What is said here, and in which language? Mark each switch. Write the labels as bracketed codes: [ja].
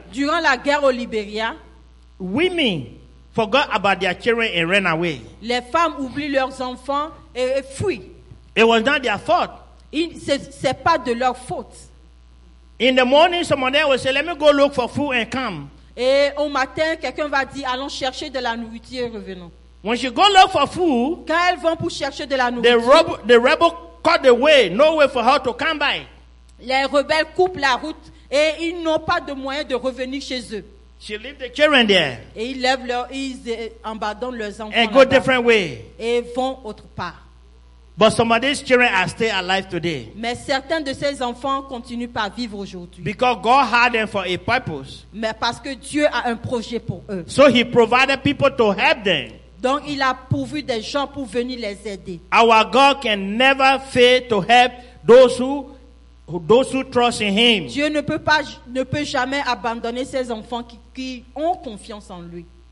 [fr] durant la guerre au Liberia, [en] women forgot about their children and ran away. [fr] Les femmes oublient leurs enfants et fuient. [en] It was not their fault. [fr] C'est pas de leur faute. [en] In the morning, someone there will say, "Let me go look for food and come." [fr] Et au matin, quelqu'un va dire, "Allons chercher de la nourriture et revenons." [en] When she go look for food, [fr] quand elles vont pour chercher de la nourriture, [en] the rebel cut the way, no way for her to come by. [fr] Les rebelles coupent la route Et ils n'ont pas de moyen de revenir chez eux. [en] She leave the children there. [fr] Et ils lèvent leurs, ils abandonnent leurs enfants. [en] And go different way. [fr] Et vont autre part. [en] But some of these children are still alive today. [fr] Mais certains de ces enfants continuent pas à vivre aujourd'hui. [en] Because God had them for a purpose. [fr] Mais parce que Dieu a un projet pour eux. [en] So He provided people to help them. [fr] Donc il a pourvu des gens pour venir les aider. [en] Our God can never fail to help those who trust in Him. [fr] Dieu ne peut jamais abandonner ses enfants qui ont confiance en lui.